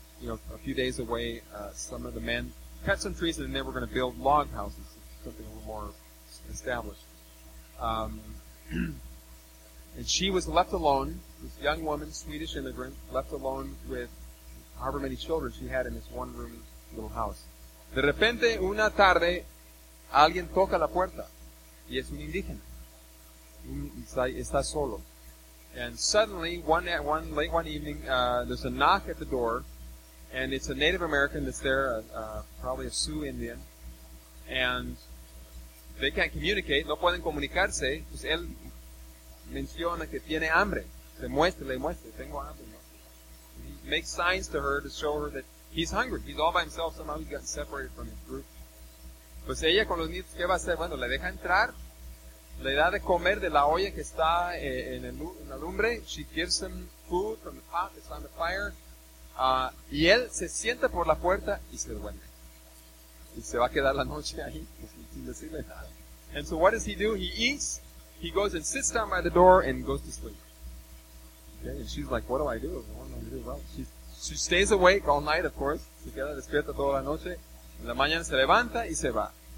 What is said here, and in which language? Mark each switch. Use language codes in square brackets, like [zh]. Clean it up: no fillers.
[en] you know, a few days away, some of the men cut some trees and they were going to build log houses, something a little more established. And she was left alone, this young woman, Swedish immigrant, left alone with however many children she had in this one-room little house. [es] De repente, una tarde, alguien toca la puerta. Y es un indígena. Está solo. [en] And suddenly, late one evening, there's a knock at the door, and it's a Native American that's there, probably a Sioux Indian, and they can't communicate, [es] no pueden comunicarse, pues él menciona que tiene hambre. Le muestra, tengo hambre. ¿No? [en] He makes signs to her to show her that he's hungry. He's all by himself, somehow he's gotten separated from his group. [es] Pues ella con los niños, ¿qué va a hacer? Bueno, le deja entrar, le da de comer de la olla que está en la lumbre. [en] She gives him food from the pot that's on the fire. [es] Y él se sienta por la puerta y se duerme. Y se va a quedar la noche ahí sin decirle nada. [en] And so what does he do? He eats, he goes and sits down by the door and goes to sleep. Okay, and she's like, what do I do? What am I going to do? Well, she stays awake all night, of course. [es] Se queda despierta toda la noche. En la mañana se levanta y se va.